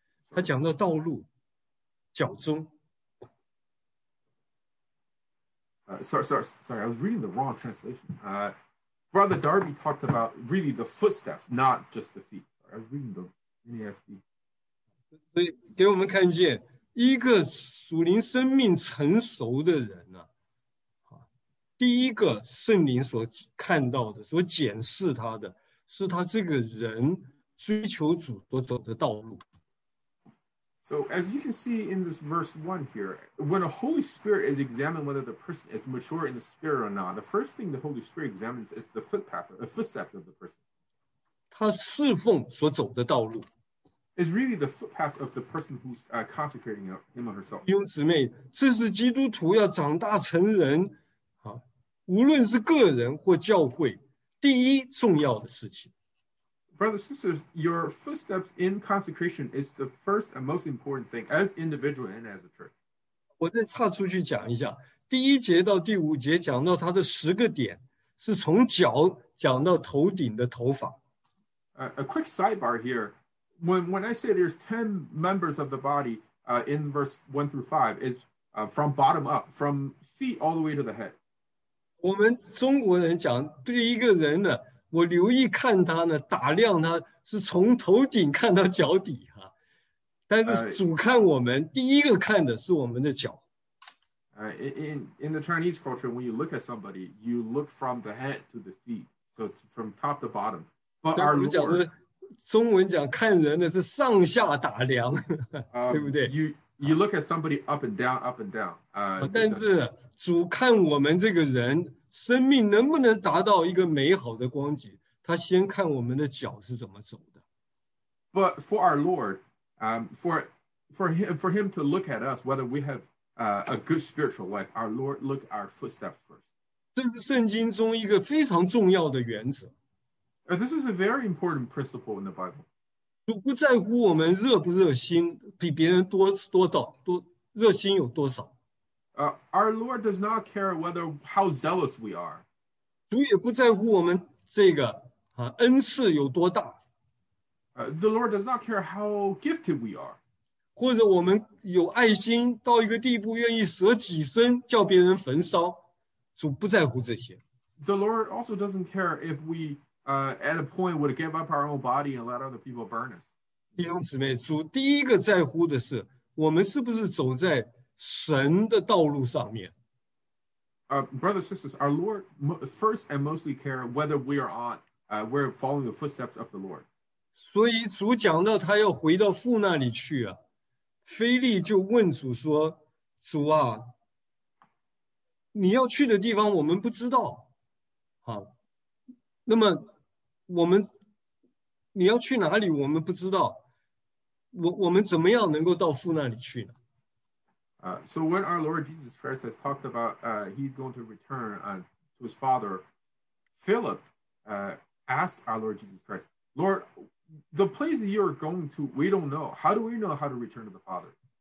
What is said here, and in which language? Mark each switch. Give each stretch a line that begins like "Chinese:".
Chinese: 他讲到道路，脚踪。
English: Sorry, I was reading the wrong translation. Brother Darby talked about really the footsteps, not just the feet. Sorry, I was reading the NASB.
Chinese: 所以给我们看见一个属灵生命成熟的人呢，第一个圣灵所看到的、所检视他的，是他这个人追求主所走的道路。
English: So as you can see in this verse 1 here, when a Holy Spirit is examined whether the person is mature in the spirit or not, the first thing the Holy Spirit examines is the footpath, the footsteps of the person.
Chinese: 他侍奉所走的道路。
English: It's really the footpath of the person who's consecrating him or herself.
Chinese: 弟兄姊妹，这是基督徒要长大成人，无论是个人或教会，第一重要的事情。
English: Brothers and sisters, your footsteps in consecration is the first and most important thing as individual and as a church.
Chinese: 我再岔出去讲一下，第一节到第五节讲到他的十个点，是从脚讲到头顶的头发。
English: A quick sidebar here. When I say there's 10 members of the body in verse 1 through 5, it's from bottom up, from feet all the way to the head.
Chinese: 我们中国人讲对一个人呢，我留意看他呢，打量他是从头顶看到脚底哈、啊，但是主看我们第一个看的是我们的脚。
English: In the Chinese culture, when you look at somebody, you look from the head to the feet, so it's from top to bottom. But our Lord,
Chinese: 中文讲看人呢是上下打量，对不对
English: ？You look at somebody up and down, up and down.
Chinese: 但是主看我们这个人。生命能不能达到一个美好的光景，他先看我们的脚是怎么走的。
English: But for our Lord, for him to look at us, whether we have a good spiritual life, our Lord look our footsteps first.
Chinese: 这是圣经中一个非常重要的原则。
English: This is a very important principle in the Bible.
Chinese: 主不在乎我们热不热心，比别人多热心有多少。
English: Our Lord does not care whether how zealous we are.
Chinese: 主也不在乎我们这个恩赐有多大。
English: The Lord does not care how gifted we are.
Chinese: 或者我们有爱心到一个地步愿意舍己身叫别人焚烧，主不在乎这些。
English: The Lord also doesn't care if we at a point would give up our own body and let other people burn us.
Chinese: 弟兄姊妹，主第一个在乎的是我们是不是走在神的道路上面。
English: Brothers and sisters, our Lord first and mostly care whether we are on we're following the footsteps of the Lord.
Chinese: 所以主讲到他要回到父那里去啊，腓力就问主说：“主啊，你要去的地方我们不知道，好，那么我们你要去哪里我们不知道，我们怎么样能够到父那里去呢？”
English: So when our Lord Jesus Christ has talked about he's going to return to his father, Philip asked our Lord Jesus Christ, Lord, the place that you are going to, we don't know. How do we know how to return to the Father?